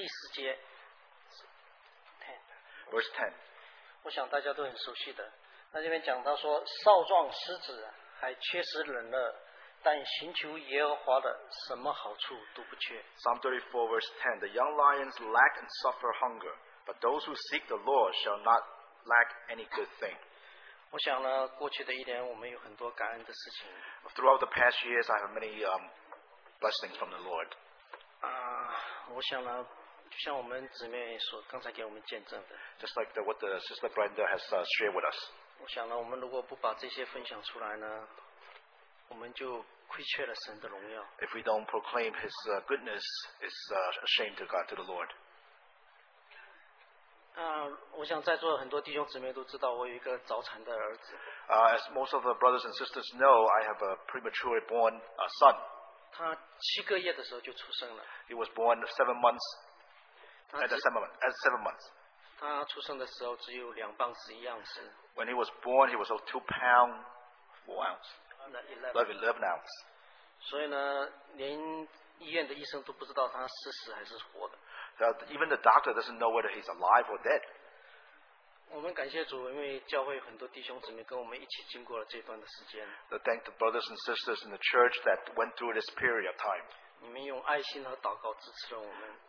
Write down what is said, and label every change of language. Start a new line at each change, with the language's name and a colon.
English: Verse 10.
Chinese: 我想大家都很熟悉的, 那这边讲到说, 少壮狮子, 还缺食忍乐, 但寻求耶和华的, 什么好处都不缺。
English: Psalm 34, verse 10. The young lions lack and suffer hunger, but those who seek the Lord shall not lack any good thing.
Chinese: 我想呢, 过去的一年, 我们有很多感恩的事情。
English: Throughout the past years, I have many blessings from the Lord.
Chinese: 我想呢, 就像我们姊妹所刚才给我们见证的,
English: just like the, what the Sister Brenda has shared with us.
Chinese: 我想呢,我们如果不把这些分享出来呢, 我们就亏缺了神的荣耀。
English: If we don't proclaim His goodness, it's a shame to God, to the Lord.
Chinese: 我想在座很多弟兄姊妹都知道我有一个早产的儿子。
English: As most of the brothers and sisters know, I have a prematurely born son.
Chinese: 他七个月的时候就出生了。
English: He was born 7 months. At 7 months.
Chinese: 他出生的时候只有2磅11盎司。
English: When he was born, he was 2 pounds 4 ounces. 11 ounces.
Chinese: 所以呢, 连医院的医生都不知道他是死还是活的。
English: Even the doctor doesn't know whether he's alive or dead.
Chinese: 我们感谢主, 因为教会很多弟兄姊妹跟我们一起经过了这段的时间。
English: We thank the brothers and sisters in the church that went through this period of time.
Chinese: 你们用爱心和祷告支持了我们。